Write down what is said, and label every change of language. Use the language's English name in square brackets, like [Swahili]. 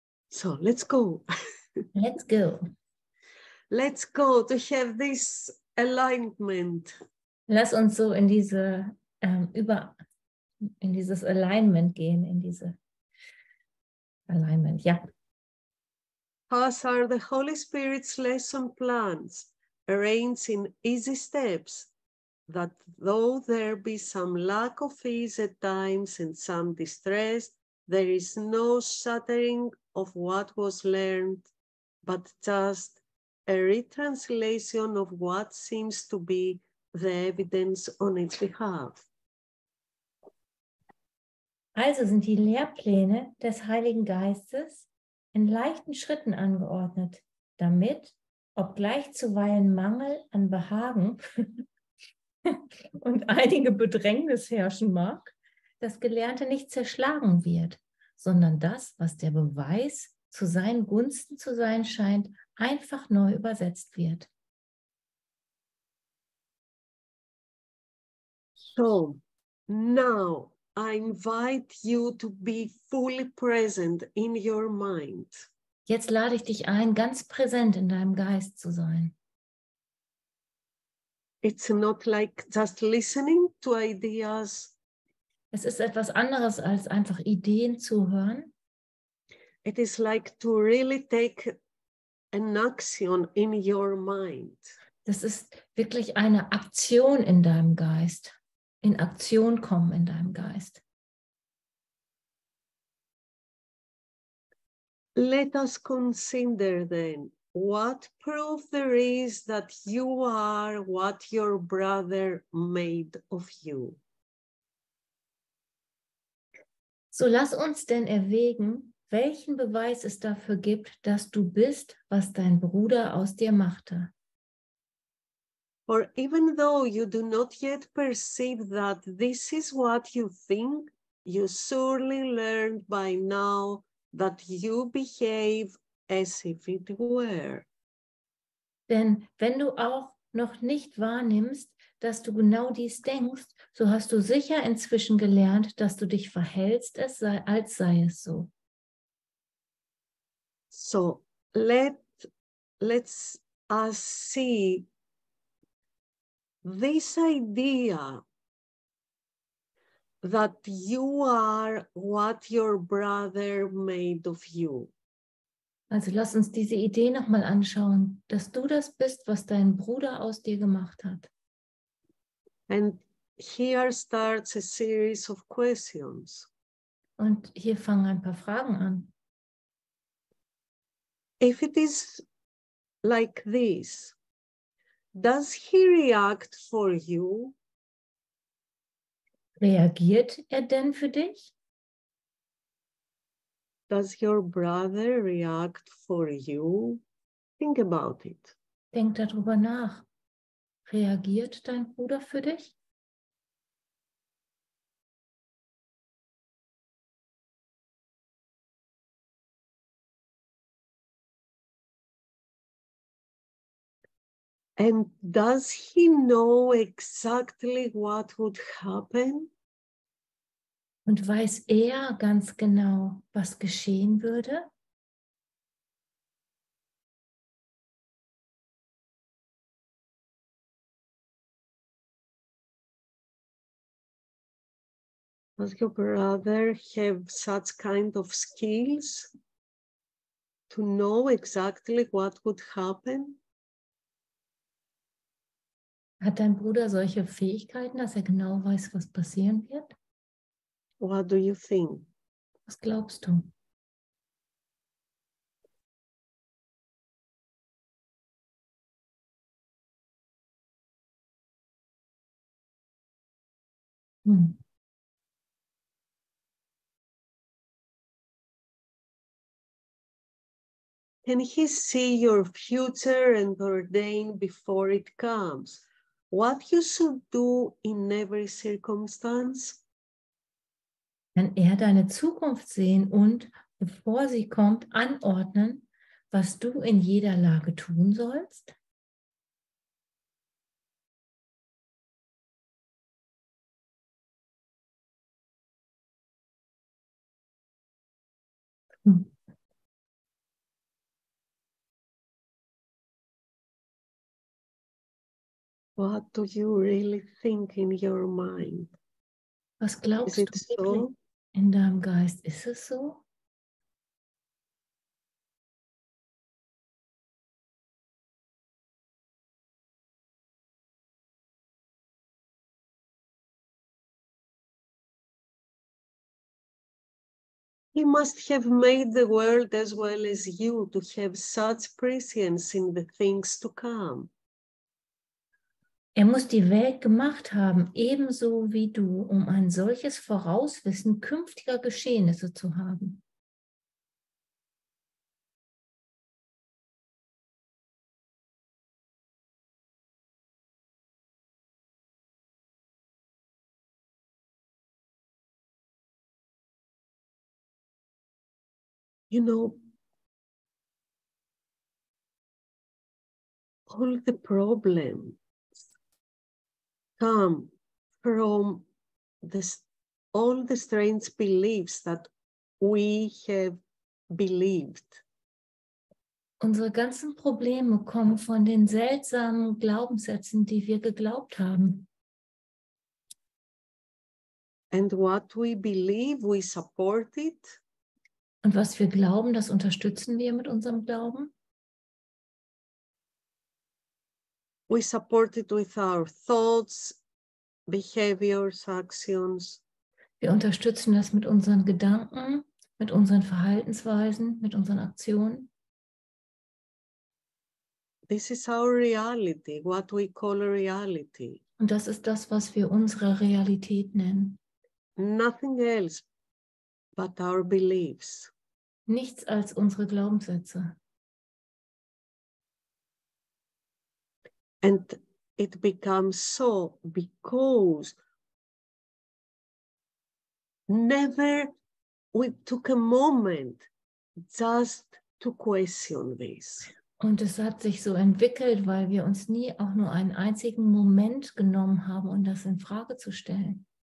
[English] So, let's go. Let's go. Let's go to have this alignment. [German] Lass uns so in diese in dieses Alignment gehen, in diese Alignment, ja. [English] Thus are the Holy Spirit's lesson plans arranged in easy steps, that though there be some lack of ease at times and some distress, there is no shattering of what was learned, but just a retranslation of what seems to be the evidence on its behalf. [German] Also sind die Lehrpläne des Heiligen Geistes in leichten Schritten angeordnet, damit, obgleich zuweilen Mangel an Behagen und einige Bedrängnis herrschen mag, das Gelernte nicht zerschlagen wird, sondern das, was der Beweis zu seinen Gunsten zu sein scheint, einfach neu übersetzt wird. [English] So, now I invite you to be fully present in your mind. [German] Jetzt lade ich dich ein, ganz präsent in deinem Geist zu sein. [English] It's not like just listening to ideas. [German] Es ist etwas anderes als einfach Ideen zu hören. [English] It is like to really take an action in your mind. [German] Das ist wirklich eine Aktion in deinem Geist. In Aktion kommen in deinem Geist. [English] Let us consider then what proof there is that you are what your brother made of you. [German] So lass uns denn erwägen, welchen Beweis es dafür gibt, dass du bist, was dein Bruder aus dir machte. [English] For even though you do not yet perceive that this is what you think, you surely learned by now that you behave as if it were. [German] Denn wenn du auch noch nicht wahrnimmst, dass du genau dies denkst, so hast du sicher inzwischen gelernt, dass du dich verhältst, als sei es so. [English] So, let's us see this idea that you are what your brother made of you. [German] Also lass uns diese Idee nochmal anschauen, dass du das bist, was dein Bruder aus dir gemacht hat. [English] And here starts a series of questions. [German] Und hier fangen ein paar Fragen an. [English] If it is like this, does he react for you? [German] Reagiert er denn für dich? [English] Does your brother react for you? Think about it. [German] Denk darüber nach. Reagiert dein Bruder für dich? [English] And does he know exactly what would happen? [German] Und weiß er ganz genau, was geschehen würde? [English] Does your brother have such kind of skills to know exactly what would happen? [German] Hat dein Bruder solche Fähigkeiten, dass er genau weiß, was passieren wird? [English] What do you think? [German] Was glaubst du? [English] Can he see your future and ordain before it comes? What you should do in every circumstance? [German] Kann er deine Zukunft sehen und, bevor sie kommt, anordnen, was du in jeder Lage tun sollst? [English] What do you really think in your mind? [German] Was glaubst du so? In deinem Geist? Ist es so? [English] He must have made the world as well as you to have such prescience in the things to come. [German] Er muss die Welt gemacht haben, ebenso wie du, um ein solches Vorauswissen künftiger Geschehnisse zu haben. [English] You know, all the problem come from this, all the strange beliefs that we have believed. [German] Unsere ganzen Probleme kommen von den seltsamen Glaubenssätzen, die wir geglaubt haben. [English] And what we believe, we support it. [German] Und was wir glauben, das unterstützen wir mit unserem Glauben. [English] We support it with our thoughts, behaviors, actions. [German] Wir unterstützen das mit unseren Gedanken, mit unseren Verhaltensweisen, mit unseren Aktionen. [English] This is our reality, what we call reality. [German] Und das ist das, was wir unsere Realität nennen. [English] Nothing else but our beliefs. [German] Nichts als unsere Glaubenssätze. [English] And it becomes so because never we took a moment just to question this. [German] Und es hat sich so entwickelt, weil wir uns nie auch nur einen einzigen Moment genommen haben, um das in Frage zu stellen.